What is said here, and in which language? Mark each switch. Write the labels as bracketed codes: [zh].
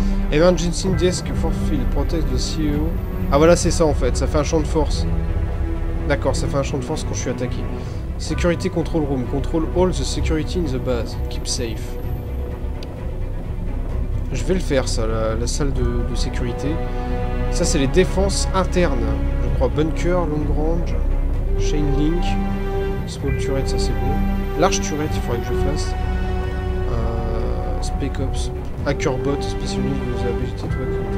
[en] Emergency desk for field, protect the CEO. [fr] Ah, voilà, c'est ça en fait, ça fait un champ de force. D'accord, ça fait un champ de force quand je suis attaqué. [en] Security control room, control all the security in the base, keep safe. [fr] Je vais le faire, ça, la salle de sécurité. Ça, c'est les défenses internes. Je crois [en] bunker, long range, chain link, small turret, [fr] ça c'est bon. Large turret, il faudrait que je fasse. [en] Spec ops, hacker bot, [fr] spécialiste de l'habilité de web.